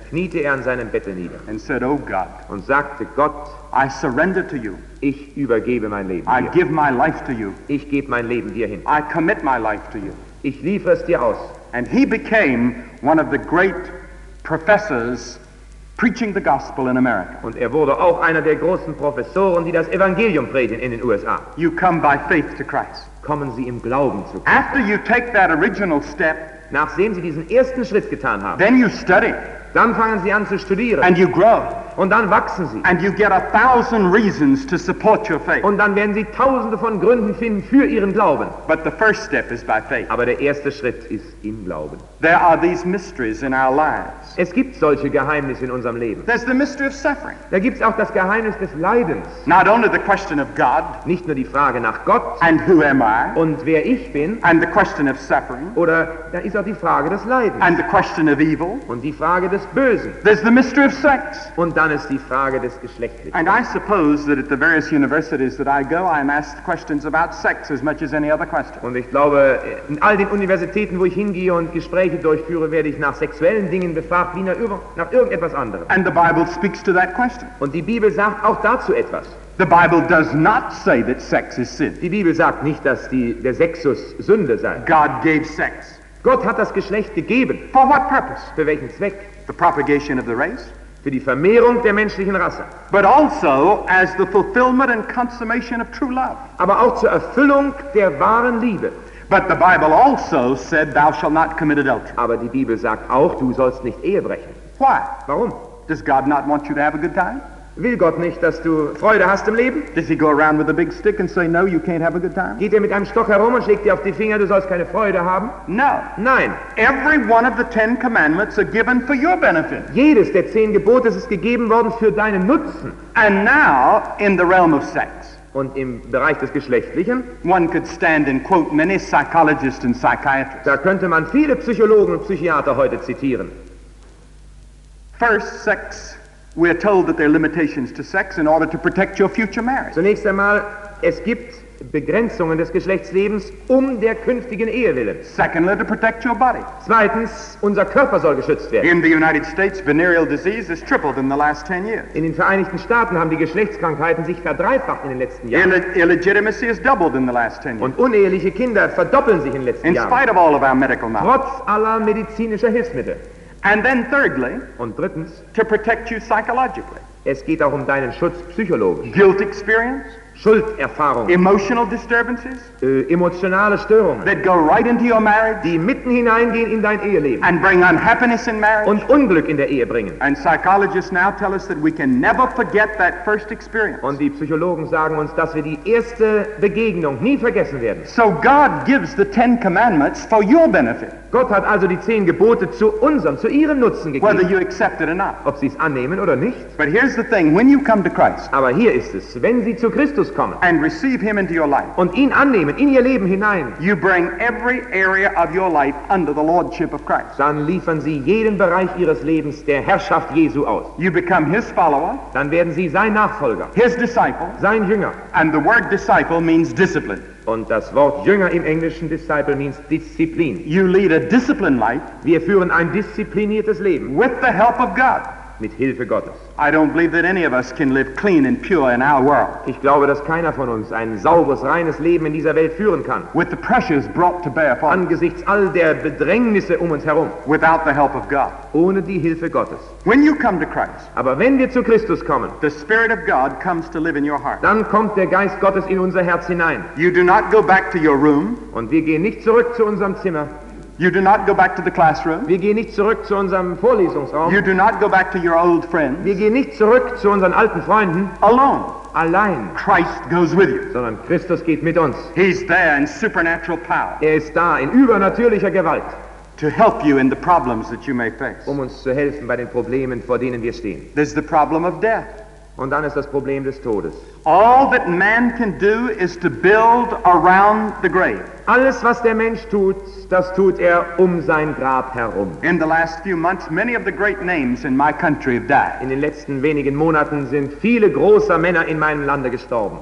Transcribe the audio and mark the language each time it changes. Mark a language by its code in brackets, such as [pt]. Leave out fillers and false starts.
[de] kniete er an seinem Bette nieder, [en] and said, "Oh God," [de] und sagte, Gott, [en] "I surrender to you." [de] Ich übergebe mein Leben dir. [en] I give my life to you. [de] Ich gebe mein Leben dir hin. [en] I commit my life to you. [de] Ich liefere es dir aus. [en] And he became one of the great professors preaching the gospel in America. [de] Und er wurde auch einer der großen Professoren, die das Evangelium predigen in den USA. [en] You come by faith to Christ. [de] Kommen Sie im Glauben zu Christus. [en] After you take that original step, [de] nachdem Sie diesen ersten Schritt getan haben, [en] then you study. [de] Dann fangen Sie an zu studieren. [en] And you grow. [de] Und dann wachsen sie. [en] And you get a thousand reasons to support your faith. [de] Und dann werden sie tausende von Gründen finden für ihren Glauben. [en] But the first step is by faith. [de] Aber der erste Schritt ist im Glauben. [en] There are these mysteries in our lives. [de] Es gibt solche Geheimnisse in unserem Leben. [en] There's the mystery of suffering. [de] Da gibt's auch das Geheimnis des Leidens. [en] Not only the question of God. [de] Nicht nur die Frage nach Gott. [en] And who am I? [de] Und wer ich bin. [en] And the question of suffering. [de] Oder da ist auch die Frage des Leidens. [en] And the question of evil. [de] Und die Frage des Bösen. [en] There's the mystery of sex. [de] Und dann ist die Frage des Geschlechtlichen. [en] And I suppose that at the various universities that I go, I'm asked questions about sex as much as any other question. [de] Und ich glaube, in all den Universitäten, wo ich hingehe und Gespräche durchführe, werde ich nach sexuellen Dingen befragt, wie nach irgendetwas anderem. [en] And the Bible speaks to that question. [de] Und die Bibel sagt auch dazu etwas. [en] The Bible does not say that sex is sin. [de] Die Bibel sagt nicht, dass der Sexus Sünde sei. [en] God gave sex. [de] Gott hat das Geschlecht gegeben. [en] For what purpose? [de] Für welchen Zweck? [en] The propagation of the race. [de] Für die Vermehrung der menschlichen Rasse. [en] But also as the fulfillment and consummation of true love. [de] Aber auch zur Erfüllung der wahren Liebe. [en] But the Bible also said thou shalt not commit adultery. [de] Aber die Bibel sagt auch, du sollst nicht Ehe brechen. [en] Why? [de] Warum? [en] Does God not want you to have a good time? [de] Will Gott nicht, dass du Freude hast im Leben? [en] Does he go around with a big stick and say no, you can't have a good time? [de] Geht mit einem Stock herum und schlägt dir auf die Finger, du sollst keine Freude haben? [en] No. [de] Nein. [en] Every one of the Ten Commandments are given for your benefit. [de] Jedes der zehn Gebote ist gegeben worden für deinen Nutzen. [en] And now in the realm of sex. [de] Und im Bereich des Geschlechtlichen. [en] One could stand and quote many psychologists and psychiatrists. [de] Da könnte man viele Psychologen und Psychiater heute zitieren. [en] First, sex. We are told that there are limitations to sex in order to protect your future marriage. [de] Zunächst einmal, es gibt Begrenzungen des Geschlechtslebens um der künftigen Ehe willen. [en] Secondly, to protect your body. [de] Zweitens, unser Körper soll geschützt werden. [en] In the United States, venereal disease has tripled in the last 10 years. [de] In den Vereinigten Staaten haben die Geschlechtskrankheiten sich verdreifacht in den letzten Jahren. [en] Illegitimacy has doubled in the last 10 years. [de] Und uneheliche Kinder verdoppeln sich in den letzten in Jahren. [en] In spite of all of our medical knowledge. [de] Trotz aller medizinischer Hilfsmittel. [en] And then thirdly, [de] und drittens, [en] to protect you psychologically. [de] Es geht auch deinen Schutz psychologisch. [en] Guilt experience, [de] Schulderfahrung, [en] emotional disturbances, [de] emotionale Störungen, [en] that go right into your marriage, [de] die mitten hineingehen in dein Eheleben, [en] and bring unhappiness in marriage, [de] und Unglück in der Ehe bringen. [en] And psychologists now tell us that we can never forget that first experience. [de] Und die Psychologen sagen uns, dass wir die erste Begegnung nie vergessen werden. [en] So God gives the Ten Commandments for your benefit. [de] Gott hat also die zehn Gebote zu unserem, zu ihrem Nutzen gegeben. [en] Whether you accept it or not. [de] Ob sie es annehmen oder nicht. [en] But here's the thing, when you come to Christ, [de] aber hier ist es, wenn sie zu Christus kommen [en] and receive him into your life, [de] und ihn annehmen, in ihr Leben hinein, [en] you bring every area of your life under the Lordship of Christ. [de] Dann liefern sie jeden Bereich ihres Lebens der Herrschaft Jesu aus. [en] You become his follower, [de] dann werden sie sein Nachfolger, [en] his disciple, [de] sein Jünger. [en] And the word disciple means discipline. [de] Und das Wort Jünger im Englischen [en] disciple means [de] Disziplin. [en] You lead a disciplined life. [de] Wir führen ein diszipliniertes Leben. [en] With the help of God. [de] Mit Hilfe Gottes. [en] I don't believe that any of us can live clean and pure in our world. [de] Ich glaube, dass keiner von uns ein sauberes, reines Leben in dieser Welt führen kann. [en] With the pressures brought to bear for [de] angesichts all der Bedrängnisse um uns herum. [en] Without the help of God. [de] Ohne die Hilfe Gottes. [en] When you come to Christ. [de] Aber wenn wir zu Christus kommen. [en] The Spirit of God comes to live in your heart. [de] Dann kommt der Geist Gottes in unser Herz hinein. [en] You do not go back to your room. [de] Und wir gehen nicht zurück zu unserem Zimmer. [en] You do not go back to the classroom. [de] Wir gehen nicht zurück zu unserem Vorlesungsraum. [en] You do not go back to your old friends. [de] Wir gehen nicht zurück zu unseren alten Freunden. [en] Alone. [de] Allein. [en] Christ goes with you. [de] Sondern Christus geht mit uns. [en] He's there in supernatural power. [de] Er ist da in übernatürlicher Gewalt. [en] To help you in the problems that you may face. [de] Um uns zu helfen bei den Problemen, vor denen wir stehen. [en] There's the problem of death. [de] Und dann ist das Problem des Todes. [en] All that man can do is to build around the grave. [de] Alles, was der Mensch tut, das tut er um sein Grab herum. [en] In the last few months, many of the great names in my country have died. [de] In den letzten wenigen Monaten sind viele große Männer in meinem Lande gestorben.